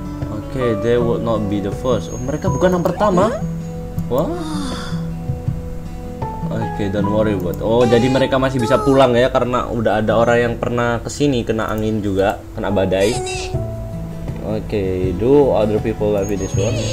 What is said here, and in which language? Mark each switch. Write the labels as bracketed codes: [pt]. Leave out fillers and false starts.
[en] Oke, okay, they would not be the first. [id] Oh, mereka bukan yang pertama? Wah. [en] Oke, okay, don't worry about. [id] Oh, jadi mereka masih bisa pulang ya, karena udah ada orang yang pernah kesini kena angin juga, kena badai. [en] Oke, okay, do other people love this one?